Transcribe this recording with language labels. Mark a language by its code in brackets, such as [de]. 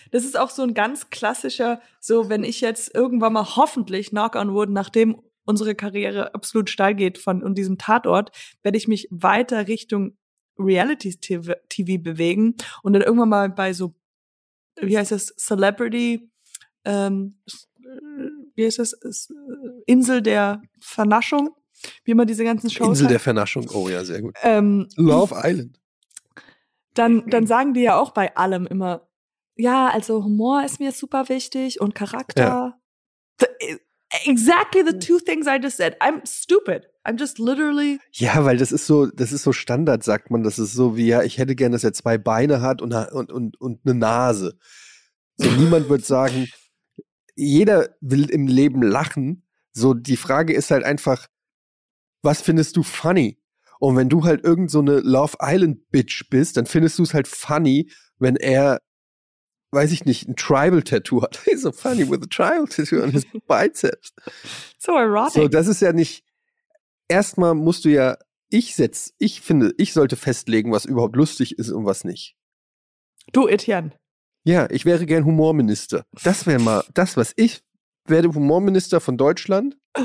[de] Das ist auch so ein ganz klassischer, so wenn ich jetzt irgendwann mal hoffentlich, [en] knock on wood, [de] nachdem unsere Karriere absolut steil geht von diesem Tatort, werde ich mich weiter Richtung Reality-TV bewegen und dann irgendwann mal bei so, wie heißt das, Celebrity, Insel der Vernaschung. Wie immer diese ganzen Shows. Insel der Vernaschung, oh ja, sehr gut. Love Island. Dann sagen die ja auch bei allem immer, ja, also Humor ist mir super wichtig und Charakter. Ja. [en] Exactly the two things I just said. I'm stupid. I'm just literally. [de] Ja, weil das ist so Standard, sagt man. Das ist so wie, ja, ich hätte gern, dass er 2 Beine hat und eine Nase. So, niemand wird sagen, jeder will im Leben lachen. So, die Frage ist halt einfach, was findest du funny? Und wenn du halt irgend so eine Love Island-Bitch bist, dann findest du es halt funny, wenn er, weiß ich nicht, ein Tribal-Tattoo hat. [en] He's so funny with a Tribal-Tattoo on his biceps. So erotic. [de] So, das ist ja nicht, erstmal musst du ja, ich sollte festlegen, was überhaupt lustig ist und was nicht. Du, Etienne. Ja, ich wäre gern Humorminister. Das wäre mal, ich werde Humorminister von Deutschland.